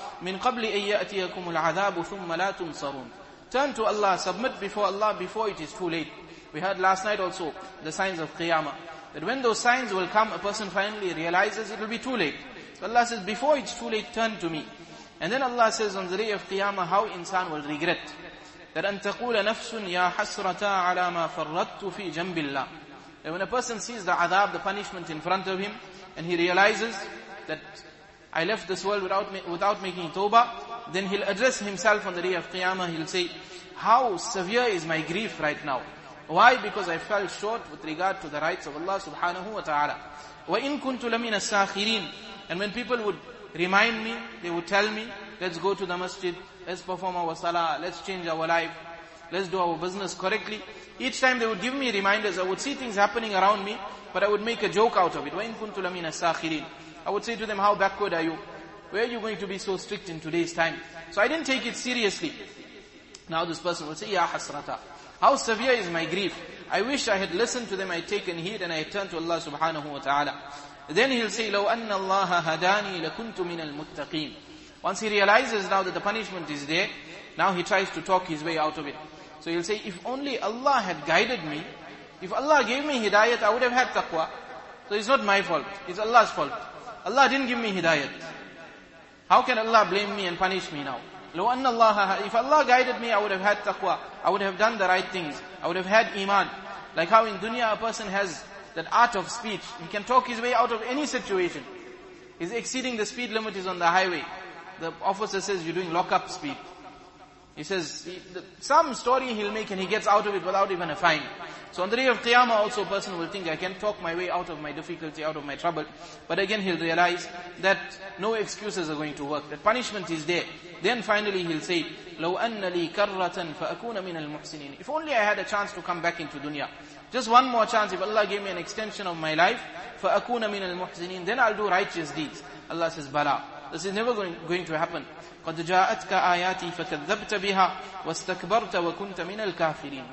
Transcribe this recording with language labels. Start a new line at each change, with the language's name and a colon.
Arabic: مِنْ قَبْلِ أَن يَأْتِيَكُمُ الْعَذَابُ ثُمَّ لَا تُنصَرُونَ.
English: Turn to Allah, submit before Allah before it is too late. We heard last night also the signs of Qiyamah. That when those signs will come, a person finally realizes it will be too late. So Allah says, before it's too late, turn to me. And then Allah says on the day of Qiyamah, how insan will regret. That
Arabic: أَن تَقُولَ نَفْسٌ يَا حَسْرَةَ عَلَىٰ مَا فَرَّدْتُ فِي جَنْبِ اللَّهِ.
English: That when a person sees the adab, the punishment in front of him, and he realizes that I left this world without making tawbah, then he'll address himself on the day of Qiyamah. He'll say, how severe is my grief right now? Why? Because I fell short with regard to the rights of Allah subhanahu wa ta'ala.
Arabic: وَإِن كُنْتُ لَمِنَ السَّاخِرِينَ.
English: And when people would remind me, they would tell me, let's go to the masjid, let's perform our salah, let's change our life, let's do our business correctly. Each time they would give me reminders, I would see things happening around me, but I would make a joke out of it.
Arabic: وَإِن كُنْتُ لَمِنَ السَّاخِرِينَ.
English: I would say to them, how backward are you? Where are you going to be so strict in today's time? So I didn't take it seriously. Now this person will say, Ya hasrata. How severe is my grief? I wish I had listened to them, I'd taken heed, and I had turned to Allah subhanahu wa ta'ala. Then he'll say,
Arabic: لَوْ أَنَّ اللَّهَ هَدَانِي لَكُنْتُ مِنَ الْمُتَّقِينَ.
English: Once he realizes now that the punishment is there, now he tries to talk his way out of it. So he'll say, if only Allah had guided me, if Allah gave me hidayat, I would have had taqwa. So it's not my fault, it's Allah's fault. Allah didn't give me hidayat. How can Allah blame me and punish me now?
Arabic: لَوْ أَنَّ اللَّهَ
English: If Allah guided me, I would have had taqwa. I would have done the right things. I would have had iman. Like how in dunya a person has that art of speech. He can talk his way out of any situation. He's exceeding the speed limit is on the highway. The officer says, you're doing lock-up speed. He says, some story he'll make and he gets out of it without even a fine. So on the day of Qiyamah also a person will think, I can talk my way out of my difficulty, out of my trouble. But again he'll realize that no excuses are going to work. That punishment is there. Then finally he'll say,
Arabic: لَوْ أَنَّ لِي كَرَّةً فَأَكُونَ مِنَ الْمُحْسِنِينَ.
English: If only I had a chance to come back into dunya. Just one more chance, if Allah gave me an extension of my life,
Arabic: فَأَكُونَ مِنَ الْمُحْسِنِينَ,
English: then I'll do righteous deeds. Allah says, بَلَى. This is never going to happen.
Arabic: قَدْ جَاءَتْكَ آيَاتِي فَكَذَّبْتَ بِهَا وَاسْتَكْبَرْتَ وَكُنْتَ مِنَ الْكَافِرِينَ.